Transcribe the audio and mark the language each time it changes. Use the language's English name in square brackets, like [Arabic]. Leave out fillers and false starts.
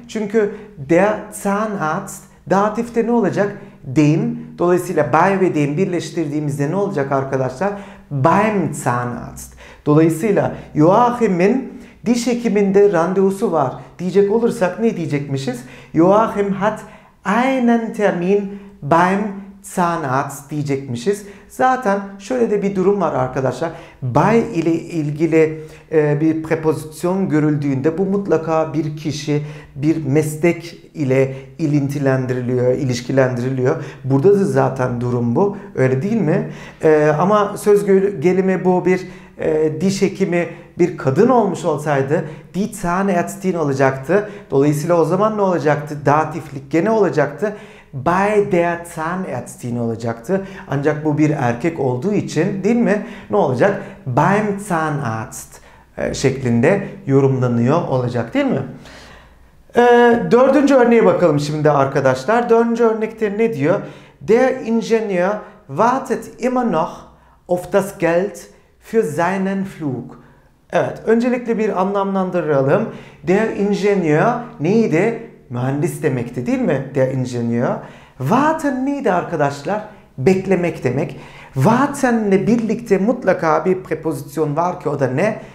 [Turkish] Çünkü der Zahnarzt datifte ne olacak? Dem. Dolayısıyla bei ve dem birleştirdiğimizde ne olacak arkadaşlar? [German] Beim Zahnarzt. [Turkish] Dolayısıyla Joachim'in diş hekiminde randevusu var diyecek olursak ne diyecekmişiz? [German] Joachim hat einen Termin beim Zahnarzt [Turkish] diyecekmişiz. Zaten şöyle de bir durum var arkadaşlar. Bei ile ilgili bir prepozisyon görüldüğünde bu mutlaka bir kişi, bir meslek ile ilintilendiriliyor, ilişkilendiriliyor. Burada da zaten durum bu. Öyle değil mi? Ama söz gelimi bu bir diş hekimi bir kadın olmuş olsaydı [German] die Zahnärztin [Turkish] olacaktı. Dolayısıyla o zaman ne olacaktı? Datiflik gene olacaktı. [German] Bei der Zahnärztin [Turkish] olacaktı. Ancak bu bir erkek olduğu için değil mi? Ne olacak? [German] Beim Zahnarzt [Turkish] şeklinde yorumlanıyor olacak değil mi? Dördüncü örneğe bakalım şimdi arkadaşlar. Dördüncü örnekte ne diyor? [German] Der Ingenieur wartet immer noch auf das Geld für seinen Flug. [Turkish] Evet, öncelikle bir anlamlandıralım. Der Ingenieur neydi? Mühendis demekti değil mi? Der Ingenieur. Warten neydi arkadaşlar? Beklemek demek. Warten'le birlikte mutlaka bir prepozisyon var ki o da ne?